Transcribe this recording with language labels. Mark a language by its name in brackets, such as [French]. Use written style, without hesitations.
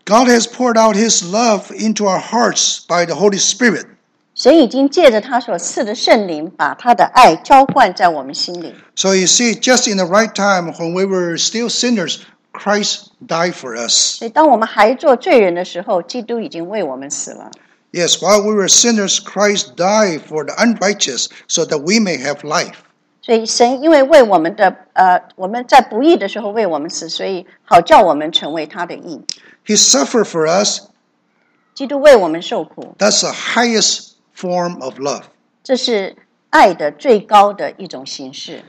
[English] God has poured out his love into our hearts by the Holy Spirit. [Chinese] 神已经借着他所赐的圣灵把他的爱浇灌在我们心里。 [English] So you see, just in the right time when we were still sinners, Christ died for us. [Chinese] 所以当我们还做罪人的时候, 基督已经为我们死了。 [English] Yes, while we were sinners, Christ died for the unrighteous so that we may have life. [Chinese] 所以神因为为我们的, 我们在不义的时候为我们死, 所以好叫我们成为他的义。 [English] He suffered for us. [Chinese] 基督为我们受苦。 [English] That's the highest form of love. [Chinese] 这是爱的最高的一种形式。